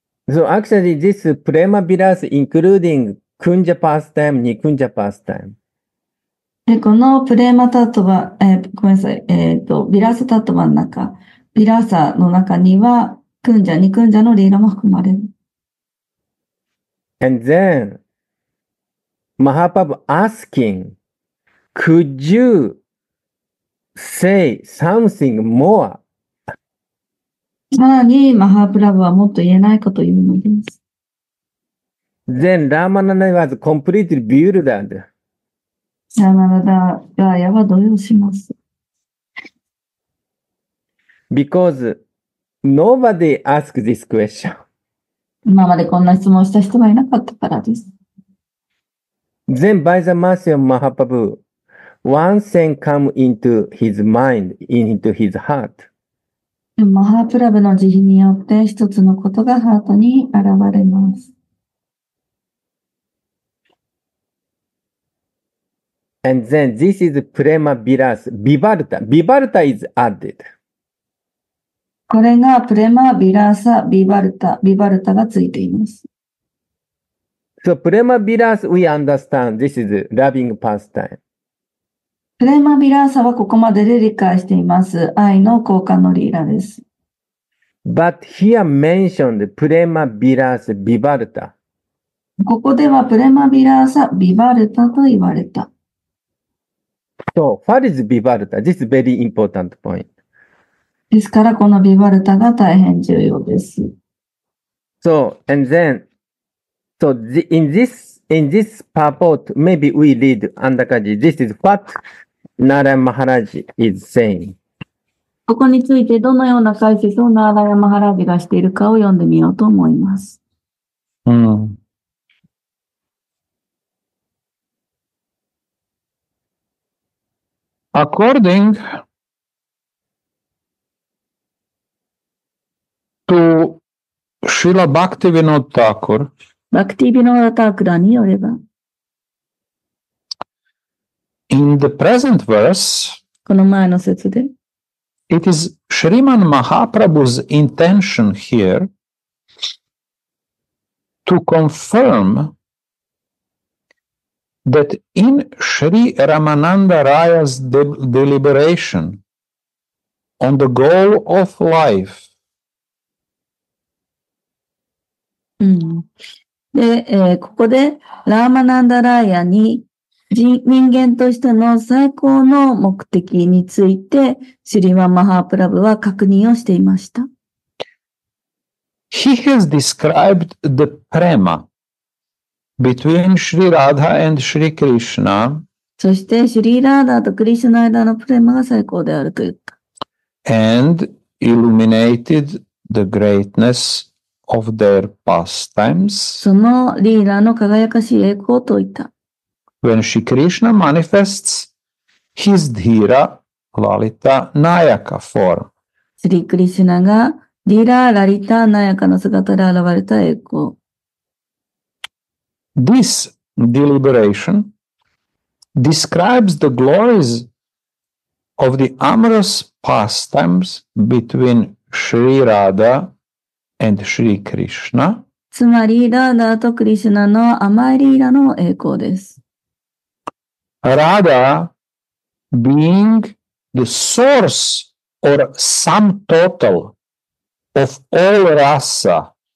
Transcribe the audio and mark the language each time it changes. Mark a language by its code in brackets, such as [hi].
[en] So actually, this プレーマ・ヴィラース including クンジャ・パースタイム、ニクンジャ・パースタイム。 [ja] で、このプレーマ・タットバ、ごめんなさい、ヴィラースタットバの中、ヴィラーサの中には、クンジャ、ニクンジャのリーラも含まれる。 [en] And then, Mahaprabhu asking, could you say something more? [ja] さらに、マハプラブはもっと言えないことを言うのです。 [en] Then, Ramananda was completely bewildered. [ja] Ramananda Raya は動揺します。 [en] Because nobody asked this question. [ja] 今までこんな質問した人がいなかったからです。 [en] Then by the mercy of Mahaprabhu, one thing come into his mind, into his heart. [ja] マハプラブの慈悲によって一つのことがハートに現れます。 [en] And then this is Prema Vilas, Vibharta. Vibharta is added. [ja] これがプレマ・ヴィラーサ・ヴィヴァルタ、ヴィヴァルタがついています。 [en] So, プレマ・ヴィラーサ、we understand this is loving pastime. [ja] プレマ・ヴィラーサはここまでで理解しています。愛の交換のリーラです。 [en] But here mentioned プレマ・ヴィラーサ・ヴィヴァルタ。 [ja] ここではプレマ・ヴィラーサ・ヴィヴァルタと言われた。 [en] So, what is ヴィヴァルタ?This is a very important point. [ja] ですから、このヴィヴァルタが大変重要です。 [en] So, and then, so in this purport, maybe we read Andakaji, this is what Narayan Maharaj is saying. [ja] ここについてどのような解説をNarayan Maharajがしているかを読んでみようと思います。うん。 [en] According,Srila Bhaktivinoda Thakur. [ja] Bhaktivinoda Thakur によれば [en] In the present verse, [ja] この前の節で [en] It is Sriman Mahaprabhu's intention here to confirm that in Sri Ramananda Raya's deliberation on the goal of life. [ja] うん、で、ここで、ラーマナンダラーヤに人間としての最高の目的について、シリマ・マハープラブは確認をしていました。 [en] He has described the prema between Sri Radha and Sri Krishna. [ja] そして、シリラーダーとクリシュナの間のプレマが最高であると言った。 [en] And illuminated the greatness ofOf their pastimes. [ja] そのリーラの輝かしい栄光と言った。 [en] when Sri Krishna manifests his dhira lalita nayaka form. [ja] Sri Krishna がディラ・ラリタ・ナヤカの姿で現れた栄光。 [en] This deliberation describes the glories of the amorous pastimes between Sri Radha and Sri Krishna. [ja] つまり、ラーダーとクリシュナの甘いリーラの栄光です。 [en] Radha being the source or sum total of all rasa.